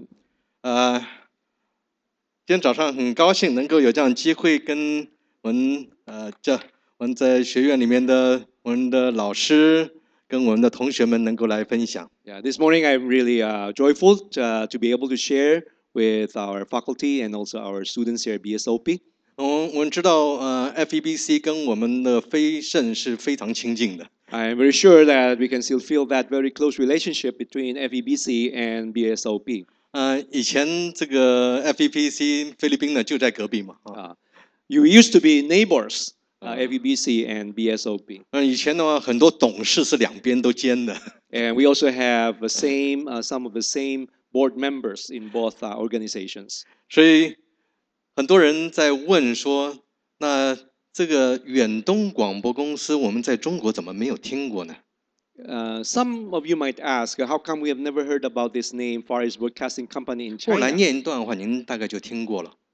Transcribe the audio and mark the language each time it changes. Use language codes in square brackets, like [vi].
[zh] 今天早上很高兴能够有这样的机会跟我们在学院里面的我们的老师 跟我们的同学们能够来分享。 [en] Yeah, this morning I'm really joyful to be able to share with our faculty and also our students here at BSOP. [zh] 我们知道 FEBC 跟我们的非盛是非常亲近的。 [en] I'm very sure that we can still feel that very close relationship between FEBC and BSOP. [zh] 以前这个 FEBC 菲律宾呢就在隔壁嘛。 [en] You used to be neighbors. FEBC and BSOB. [zh] 以前的话，很多董事是两边都兼的。 [en] And we also have the same, some of the same board members in both organizations. [zh] 所以很多人在问说，那这个远东广播公司，我们在中国怎么没有听过呢？ [en] Some of you might ask, how come we have never heard about this name, Far East Broadcasting Company in China? [zh] 我来念一段的话，您大概就听过了。